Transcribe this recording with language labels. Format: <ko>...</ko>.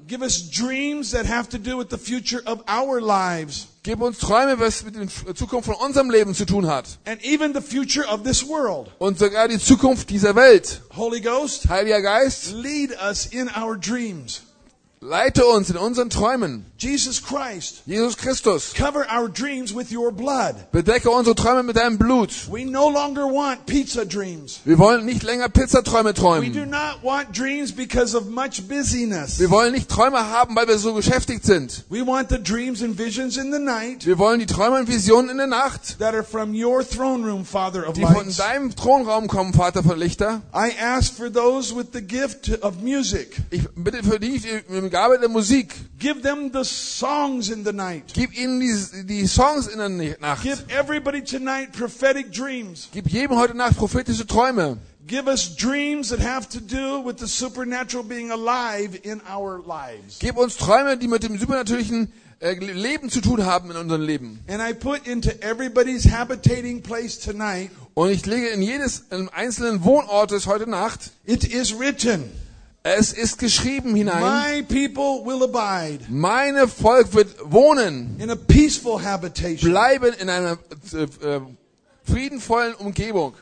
<en>Give us dreams that have to do with the future of our lives.</en> <de>Gib uns Träume, was mit der Zukunft von unserem Leben zu tun hat.</de> <en>And even the future of this world.</en> <de>Und sogar die Zukunft dieser Welt.</de> <en>Holy Ghost,</en> <de>Heiliger Geist,</de> <en>lead us in our dreams.</en> <de>Leite uns in unseren Träumen.</de> <en>Jesus</en> <de>Christus.</de> <en>Cover our dreams with your blood.</en> <de>Bedecke unsere Träume mit deinem Blut.</de> <en>We no longer want pizza dreams.</en> <de>Wir wollen nicht länger Pizzaträume träumen.</de> <en>We do not want dreams because of much busyness.</en> <de>Wir wollen nicht Träume haben, weil wir so beschäftigt sind.</de> <en>We want the dreams and visions in the night.</en> <de>Wir wollen die Träume und Visionen in der Nacht.</de> <en>That are from your throne room, Father of Lights.</en> <de>Die von deinem Thronraum kommen, Vater von Lichter.</de> <en>I ask for those with the gift of music.</en> <de>Ich bitte für die, Gabe der Musik.</de> <en>Give them the songs in the night.</en> <de>Gib ihnen die Songs in der Nacht.</de> <en>Give everybody tonight prophetic dreams.</en> <de>Gib jedem heute Nacht prophetische Träume.</de> <en>Give us dreams that have to do with the supernatural being alive in our lives.</en> <de>Gib uns Träume, die mit dem übernatürlichen Leben zu tun haben in unserem Leben.</de> <en>And I put into everybody's habitating place tonight.</en> <de>Und ich lege in jedes in einzelnen Wohnortes heute Nacht.</de> <en>It is written.</en> <de>Es ist geschrieben hinein.</de> <en>My people will abide.</en> <de>Meine Volk wird wohnen.</de> <en>In a peaceful habitation.</en> <de>Bleiben in einer friedenvollen Umgebung.</de>